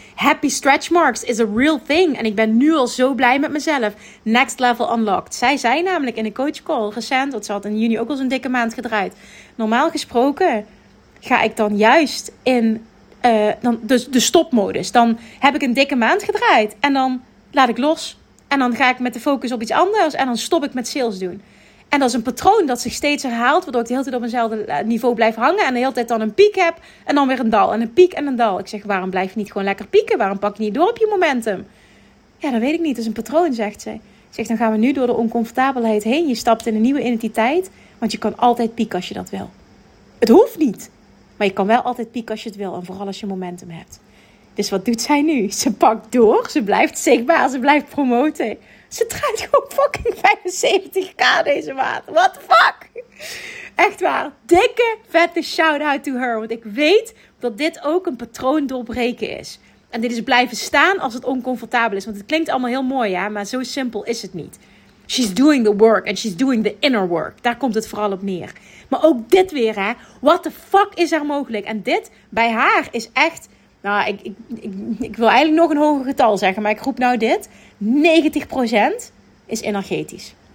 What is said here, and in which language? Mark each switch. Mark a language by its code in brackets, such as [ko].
[en] Happy stretch marks is a real thing. [nl] En ik ben nu al zo blij met mezelf. [en] Next level unlocked. [nl] Zij zei namelijk in een coach call recent, want ze had in juni ook al zo'n dikke maand gedraaid. Normaal gesproken ga ik dan juist in de stopmodus. Dan heb ik een dikke maand gedraaid en dan laat ik los. En dan ga ik met de focus op iets anders en dan stop ik met sales doen. En dat is een patroon dat zich steeds herhaalt, waardoor ik de hele tijd op eenzelfde niveau blijf hangen. En de hele tijd dan een piek heb en dan weer een dal. En een piek en een dal. Ik zeg, waarom blijf je niet gewoon lekker pieken? Waarom pak je niet door op je momentum? Ja, dat weet ik niet. Dat is een patroon, zegt ze. Ik zeg, dan gaan we nu door de oncomfortabelheid heen. Je stapt in een nieuwe identiteit, want je kan altijd pieken als je dat wil. Het hoeft niet, maar je kan wel altijd pieken als je het wil. En vooral als je momentum hebt. Dus wat doet zij nu? Ze pakt door, ze blijft zichtbaar, ze blijft promoten. Ze draait gewoon fucking 75k deze maand. [en] What the fuck? [nl] Echt waar. Dikke, vette [en] shout-out to her. [nl] Want ik weet dat dit ook een patroon doorbreken is. En dit is blijven staan als het oncomfortabel is. Want het klinkt allemaal heel mooi, ja. Maar zo simpel is het niet. [en] She's doing the work and she's doing the inner work. [nl] Daar komt het vooral op neer. Maar ook dit weer, hè. [en] What the fuck [nl] is er mogelijk? En dit bij haar is echt... Nou, ik wil eigenlijk nog een hoger getal zeggen, maar ik roep nou dit. 90% is energetisch.